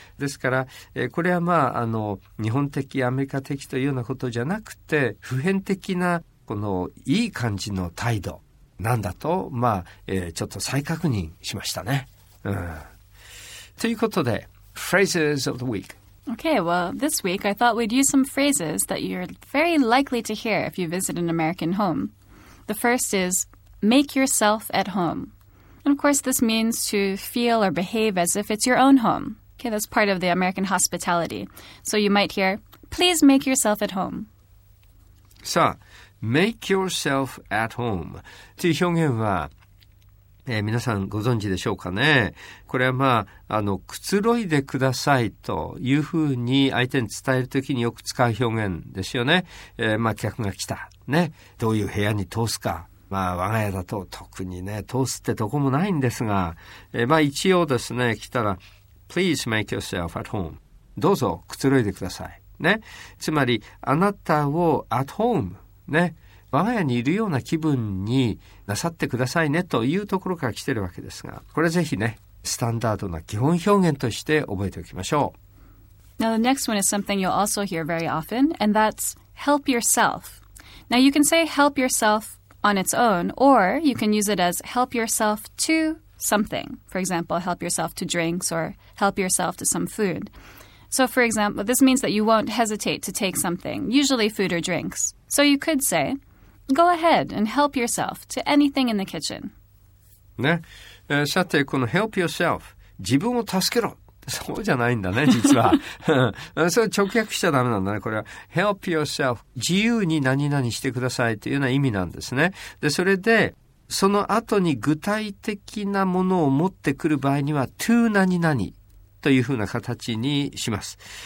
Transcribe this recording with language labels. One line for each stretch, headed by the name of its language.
Japanese: ですから、これはまあ、日本的アメリカ的というようなことじゃなくて、普遍的なこのいい感じの態度なんだと、まあ、ちょっと再確認しましたね、ということで
English: Phrases of the week Okay, well, this week I thought we'd use some phrases that you're very likely to hear if you visit an American home. The first is, make yourself at home. And of course, this means to feel or behave as if it's your own home. Okay, that's part of the American hospitality. So you might hear, please make yourself at home.
Japanese: さあ、
English: Make yourself at home
Japanese: という表現は、皆さんご存知でしょうかね。これはまあ、くつろいでくださいというふうに相手に伝えるときによく使う表現ですよね。まあ、客が来た、ね。どういう部屋に通すか。まあ、我が家だと特にね、通すってとこもないんですが、まあ、一応ですね、来たら、
English: Please make yourself at home。
Japanese: どうぞくつろいでください。ね。つまり、あなたを
English: at home、
Japanese: ね。我が家にいるような気分になさってくださいねというところから来てるわけですが、これぜひね、スタンダードな基本表現として覚えておきましょう。
English: Now the next one is something you'll also hear very often, and that's help yourself. Now you can say help yourself on its own, or you can use it as help yourself to something. For example, help yourself to drinks or help yourself to some food. So for example, this means that you won't hesitate to take something, usually food or drinks. So you could say,Go ahead and help yourself to anything in the kitchen.
Japanese: ね、さてこの
English: help yourself、
Japanese: 自分を助けろ、そうじゃないんだね実は。それ直訳しちゃダメなんだね。これは
English: help yourself、
Japanese: 自由に何々してくださいというような意味なんですね。でそれでその後に具体的なものを持ってくる場合には to 何々というふうな形にします。